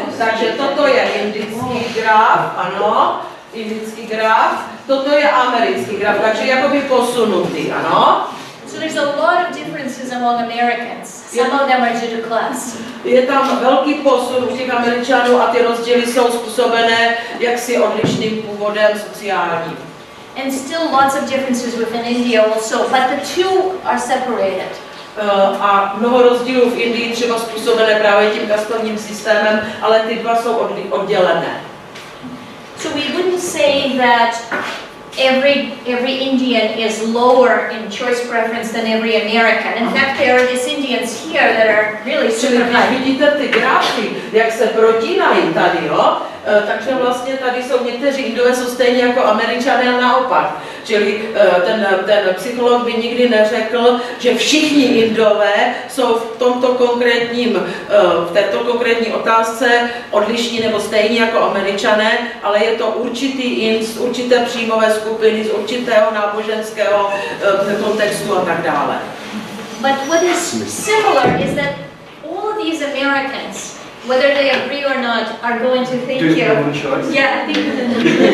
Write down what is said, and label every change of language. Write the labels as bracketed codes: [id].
[cs] Takže toto je indický graf, ano, indický graf, toto je americký graf, takže jakoby posunutý, ano. [en] So there's a lot of differences among Americans. Some of them are due to class. [cs] Je tam velký posun u těch Američanů a ty rozdíly jsou způsobené jaksi odlišným původem sociálním. [en] And still lots of differences within India also, but the two are separated. [cs] A mnoho rozdílů v Indii třeba způsobené právě tím kastovním systémem, ale ty dva jsou oddělené. [en] So we wouldn't say that Every Indian is lower in choice preference than every American. In fact, there are these Indians here that are really super high. [cs] Čili vidíte ty grafy, jak se protínají tady, jo? Takže vlastně tady jsou někteří Indové jsou stejně jako Američané naopak. Čili ten psycholog by nikdy neřekl, že všichni Indové jsou v této konkrétní otázce odlišní nebo stejní jako Američané, ale je to určitý Ind z určité příjmové skupiny, z určitého náboženského kontextu a tak dále. [en] But what is similar is that all these Americans, whether they agree or not, are going to think you. Do you have a choice? Yeah, I think of them.